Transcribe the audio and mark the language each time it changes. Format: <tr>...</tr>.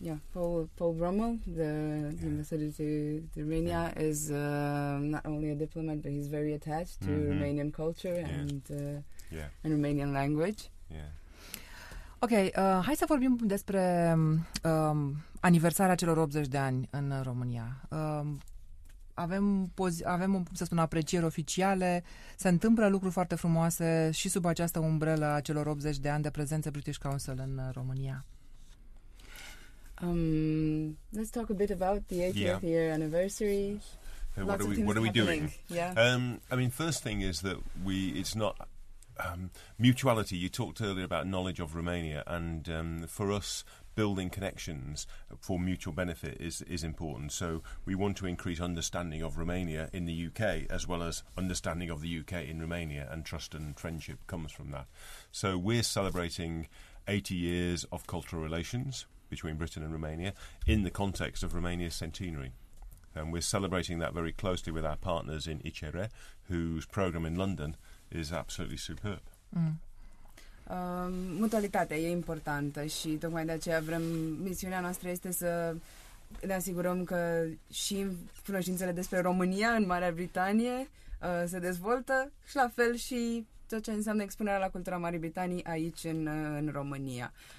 <en>Paul Brummell, the ambassador to Romania, is not only a diplomat, but he's very attached to Romanian culture and Romanian language.</en> <ro>Ok, hai să vorbim despre aniversarea celor 80 de ani în România. Avem, să spun, aprecieri oficiale, se întâmplă lucruri foarte frumoase și sub această umbrelă a celor 80 de ani de prezență British Council în România.</ro> <en>Let's talk a bit about the 80th year anniversary. What are we doing? Yeah. I mean, first thing is that it's not mutuality. You talked earlier about knowledge of Romania, and for us, building connections for mutual benefit is important. So we want to increase understanding of Romania in the UK, as well as understanding of the UK in Romania, and trust and friendship comes from that. So we're celebrating 80 years of cultural relations between Britain and Romania in the context of Romania's centenary. And we're celebrating that very closely with our partners in ICERE, whose programme in London is absolutely superb.</en> <ro>Mutualitatea e importantă și tocmai de aceea vrem, misiunea noastră este să ne asigurăm că și cunoștințele despre România în Marea Britanie se dezvoltă și la fel și tot ce înseamnă expunerea la cultura Marii Britanii aici în România.</ro>